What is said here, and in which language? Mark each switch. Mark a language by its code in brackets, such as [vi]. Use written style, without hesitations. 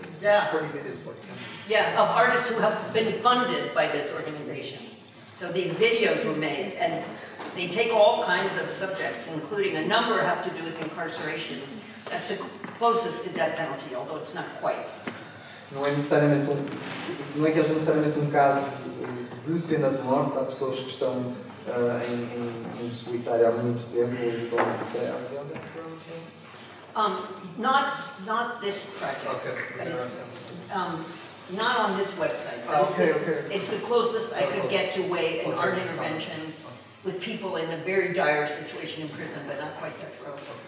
[en] Yeah. 40 videos, 40 minutes. Yeah, of artists who have been funded by this organization. So, these videos were made, and they take all kinds of subjects, including a number have to do with incarceration. That's the closest to death penalty, although it's not quite. [pt] Não é necessariamente um caso de pena de morte, há pessoas que estão [en] in Switzerland for a long time. Are they on that project? Not this project. Okay. Not on this website. Okay, okay. It's the closest I could get to Ways and art intervention with people in a very dire situation in prison, but not quite that thrilled.